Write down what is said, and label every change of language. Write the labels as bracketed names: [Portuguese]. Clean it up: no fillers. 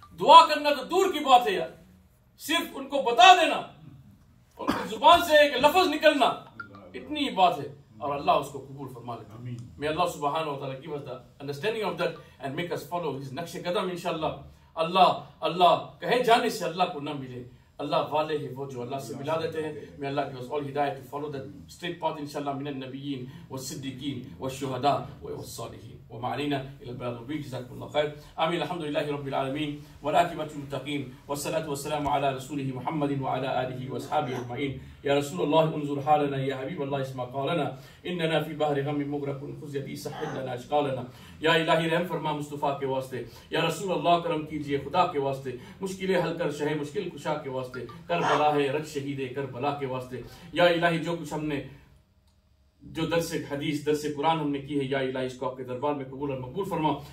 [Urdu] دعا کرنا تو دور کی بات ہے یار, صرف ان کو بتا دینا, ان کی زبان سے ایک لفظ نکلنا, اتنی بات ہے اور اللہ اس کو قبول فرما لے. [English] May Allah subhanahu wa ta'ala give us the understanding of that and make us follow his [Urdu] نقش قدم [English] انشاءاللہ. [Urdu] اللہ کہے جانے سے اللہ کو نہ ملے, اللہ والے ہیں وہ جو اللہ سے ملا دیتے ہیں. [English] May Allah give us all hidayah to follow that straight path انشاءاللہ. [Arabic] من النبیین والصدقین والشہداء والصالحین وما علينا الى البلاد المبين. جزاكم الله خير. امين. الحمد لله رب العالمين والعاقبه للمتقين والصلاه والسلام على رسوله محمد وعلى اله واصحابه اجمعين. يا رسول الله انظر حالنا, يا حبيب الله اسمع قولنا, اننا في بحر غم مغرق خذ يدي سهل لنا اشغالنا. [Urdu] یا الہی رحم فرما مصطفیٰ کے واسطے, یا رسول اللہ کرم کیجئے خدا کے واسطے, مشکلیں حل کر شہ مشکل کشا کے واسطے, کربلا ہے رج شہید کربلا کے واسطے. یا الہی جو کچھ ہم نے جو درس حدیث درس قرآن ہم نے کی ہے, یا الہی اس کو آپ کے دربار میں قبول اور مقبول فرما.